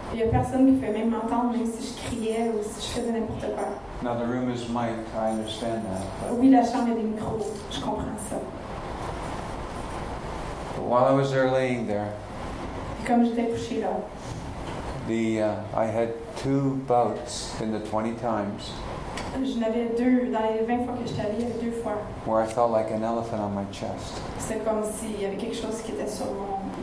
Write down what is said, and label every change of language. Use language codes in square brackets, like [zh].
[fr] Il y a personne qui pouvait même m'entendre, même si je criais ou si je faisais n'importe quoi. [en] Now the room is mic'd, I understand that. [fr] Oui, la chambre a des micros, je comprends ça. [en] But while I was there laying there, [fr] comme j'étais couché là, [en] I had two bouts in the 20 times. [fr] J'en avais deux dans les 20 fois que j'étais allé, il y avait deux fois. [en] Where I felt like an elephant on my chest. [fr] C'est comme si il y avait quelque chose qui était sur mon.